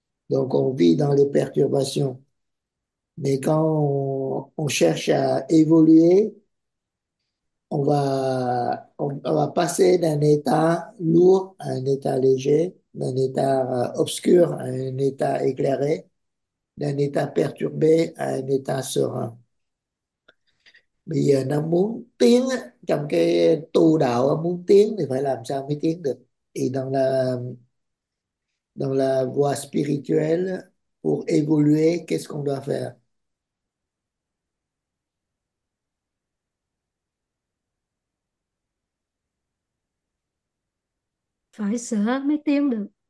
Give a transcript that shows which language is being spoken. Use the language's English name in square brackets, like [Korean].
[French] Donc on vit dans les perturbations. Mais quand on cherche à évoluer, on va passer d'un état lourd à un état léger, d'un état obscur à un état éclairé. d'un état perturbé à un état serein. [Vietnamese] Bây giờ nó muốn tiến trong cái tu đạo, muốn tiến thì phải làm sao mới tiến được? [French] Thì dans la voie spirituelle, pour évoluer, qu'est-ce qu'on doit faire? [Vietnamese] Phải sửa mới tiến được.